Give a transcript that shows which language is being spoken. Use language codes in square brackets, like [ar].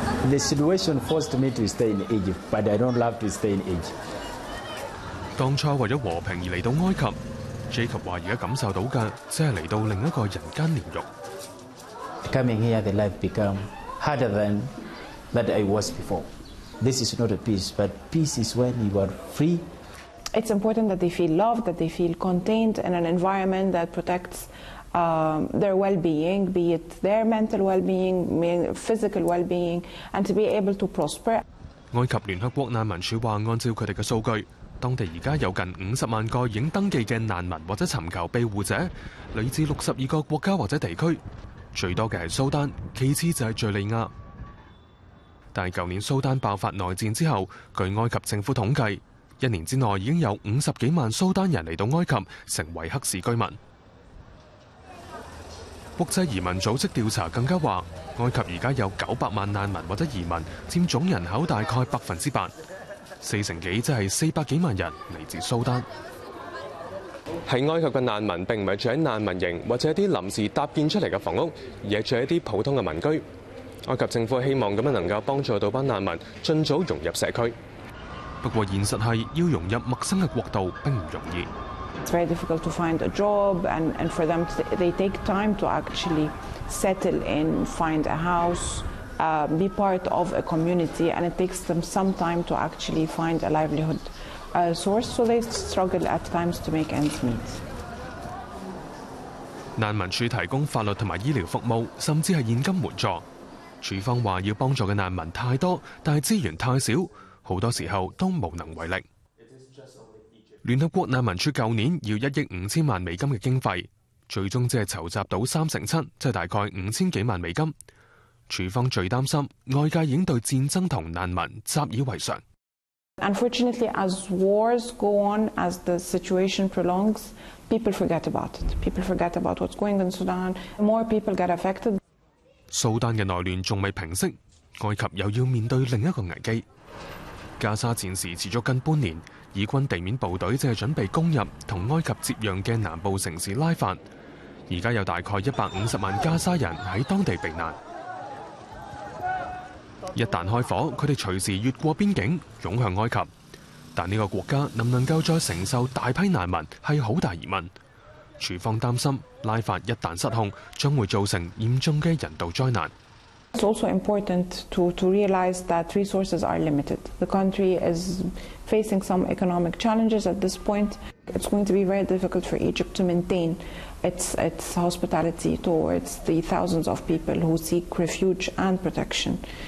[en] The situation forced me to stay in Egypt, but I don't love to stay in Egypt. [yue] 当初为咗和平而嚟到埃及 ，Jacob 话而家感受到嘅，即系嚟到另一个人间炼狱。 [en] Coming here, the life become harder than that I was before. This is not a peace, but peace is when you are free. It's important that they feel loved, that they feel contained in an environment that protects their well-being, be it their mental well-being, physical well-being, and to be able to prosper. [yue] 埃及联合国难民署话，按照佢哋嘅数据。當地而家有近500,000個已經登記嘅難民或者尋求庇護者，嚟自62個國家或者地區，最多嘅係蘇丹，其次就係敍利亞。但係舊年蘇丹爆發內戰之後，據埃及政府統計，一年之內已經有50,000+蘇丹人嚟到埃及，成為黑市居民。國際移民組織調查更加話，埃及而家有900,000難民或者移民，佔總人口大概8%。 40%即係400,000+人嚟自蘇丹。喺埃及嘅難民並唔係住喺難民營或者一啲臨時搭建出嚟嘅房屋，而係住喺一啲普通嘅民居。埃及政府希望咁樣能夠幫助到班難民盡早融入社區。不過現實係要融入陌生嘅國度並唔容易。 [en] It's very difficult to find a job, and for them they take time to actually settle in, find a house. Be part of a community, and it takes them some time to actually find a livelihood source. So they struggle at times to make ends meet. [yue] 难民署提供法律同埋医疗服务，甚至系现金援助。署方话要帮助嘅难民太多，但系资源太少，好多时候都无能为力。联合国难民署旧年要1,500,000美金嘅经费，最终只系筹集到37%，即系大概5,000+美金。署方最擔心外界已經對戰爭同難民習以為常。 [en] Unfortunately, as wars go on, as the situation prolongs, people forget about it. People forget about what's going in Sudan. More people get affected. [yue] 蘇丹嘅內亂仲未平息，埃及又要面對另一個危機。加沙戰事持續近半年，以軍地面部隊正係準備攻入同埃及接壤嘅南部城市拉法。而家有大概150,000加沙人喺當地避難。一旦开火，佢哋随时越过边境涌向埃及，但呢个国家能唔能够再承受大批难民系好大疑问。署方担心拉法一旦失控，将会造成严重嘅人道灾难。 [en] It's also important to realize that resources are limited. The country is facing some economic challenges at this point. It's going to be very difficult for Egypt to maintain its hospitality towards the thousands of people who seek refuge and protection.